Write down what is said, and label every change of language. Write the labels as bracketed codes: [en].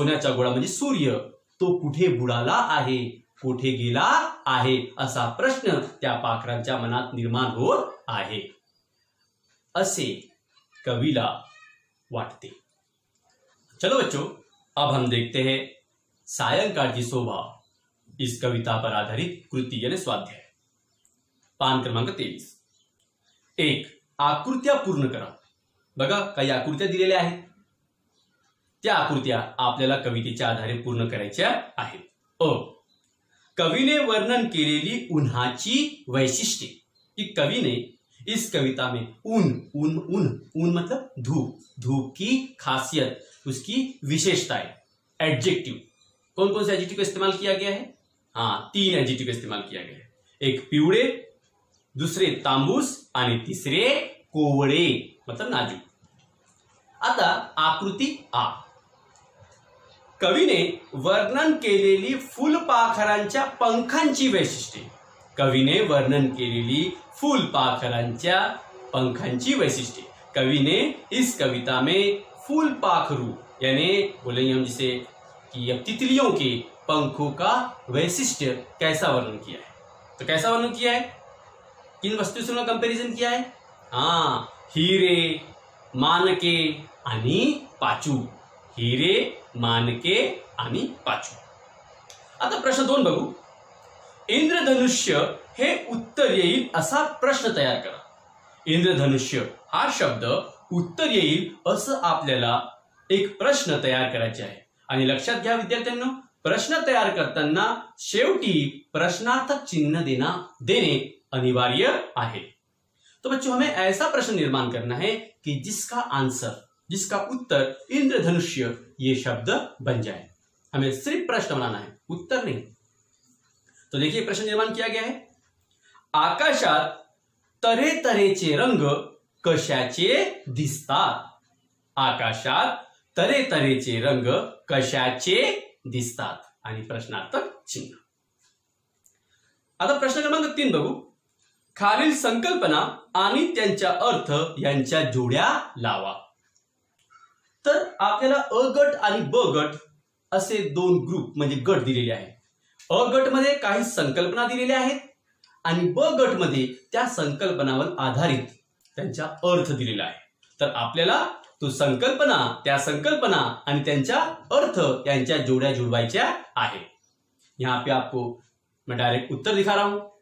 [mr] गोळा म्हणजे सूर्य तो कुठे बुडाला आहे, कुठे गेला आहे, असा प्रश्न त्या पाखरांच्या मनात निर्माण होत आहे असे कवीला वाटते। [hi] चलो बच्चों, अब हम देखते हैं सायंकाळची शोभा, इस कविता पर आधारित कृति यानी स्वाध्याय, पान क्रमांक 23। [mr] एक, आकृत्या पूर्ण करा। बघा काही आकृत्या दिलेल्या आहेत, त्या आकृत्या आपल्याला कवितेच्या आधारे पूर्ण करायच्या आहेत। अ, कवीने वर्णन केलेली उन्हाची वैशिष्ट्ये, [hi] की कवीने इस कविता में उन उन उन उन मतलब धूप, धूप की खासियत, उसकी विशेषताएं, एडजेक्टिव, कौन कौन से एडजेक्टिव का इस्तेमाल किया गया है? हाँ, तीन एडजेक्टिव का इस्तेमाल किया गया है, एक पिवड़े, दूसरे तांबूस आणि तीसरे कोवळे मतलब नाजुक। [mr] आता आकृति आ, कवीने वर्णन केलेली फुलपाखरांच्या पंखांची वैशिष्ट्ये, [hi] कवीने वर्णन केलेली फुलपाखरांच्या पंखांची वैशिष्ट्ये, कवीने इस कविता में फुलपाखरू यानी बोलेंगे हम जिसे कि तितलियों के पंखों का वैशिष्ट्य कैसा वर्णन किया है, तो कैसा वर्णन किया है, किन वस्तुओं से उन्होंने कंपैरिजन किया है? हाँ, हीरे, मानके आणि पाचू, हीरे, मानके आणि पाचू। [mr] आता प्रश्न दोन बघू, इंद्रधनुष्य हे उत्तर येईल असा प्रश्न तयार करा। इंद्रधनुष्य हा शब्द उत्तर येईल असं आपल्याला एक प्रश्न तयार करायचे आहे. आणि लक्षात घ्या विद्यार्थ्यांनो, प्रश्न तयार करताना शेवटी प्रश्नार्थक चिन्ह देणे अनिवार्य आहे. [hi] तो बच्चों हमें ऐसा प्रश्न निर्माण करना है कि जिसका आंसर, जिसका उत्तर इंद्रधनुष ये शब्द बन जाए. हमें सिर्फ प्रश्न बनाना है, उत्तर नहीं. तो देखिए प्रश्न निर्माण किया गया है, [mr] आकाशात तरह तरह चे रंग कशाचे दिसतात. आकाशात तरह तरह चे रंग कशाचे दिसतात आणि प्रश्नार्थक चिन्ह. आता प्रश्न क्रमांक 3 बघू. खालील संकल्पना आणि त्यांचा अर्थ यांच्या जोड्या लावा. तर आपल्याला अ गट आणि ब गट असे दोन ग्रुप म्हणजे गट दिलेले आहेत. अ गट मध्ये काही संकल्पना दिलेल्या आहेत आणि ब गट मध्ये त्या संकल्पनावर आधारित त्यांचा अर्थ दिलेला आहे. तर आपल्याला तो संकल्पना, त्या संकल्पना आणि त्यांचा अर्थ यांच्या जोड्या जुळवायच्या आहे. [hi] यहां पे आपको मैं डायरेक्ट उत्तर दिखा रहा हूं.